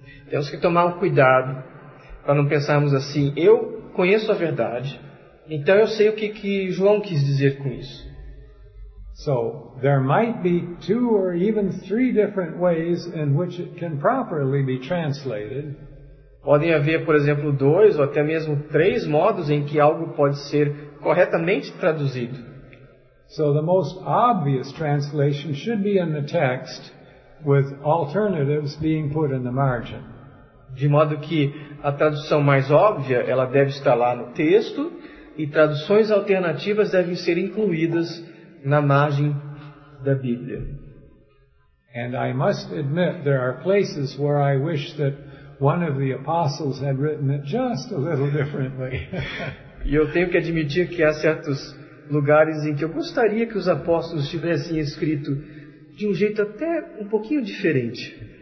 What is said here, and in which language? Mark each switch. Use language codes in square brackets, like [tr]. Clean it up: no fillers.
[pt] Temos que tomar um cuidado para não pensarmos assim, eu conheço a verdade, então eu sei o que João quis dizer com isso. [en] So, there might be two or even three different ways in which it can properly be translated. [pt] Podem haver, por exemplo, dois ou até mesmo três modos em que algo pode ser corretamente traduzido. [en] So, the most obvious translation should be in the text, with alternatives being put in the margin. [pt] De modo que a tradução mais óbvia, ela deve estar lá no texto, e traduções alternativas devem ser incluídas na margem da Bíblia. [en] And I must admit there are places where I wish that one of the apostles had written it just a little differently. [pt] E eu tenho que admitir que há certos lugares em que eu gostaria que os apóstolos tivessem escrito de um jeito até um pouquinho diferente.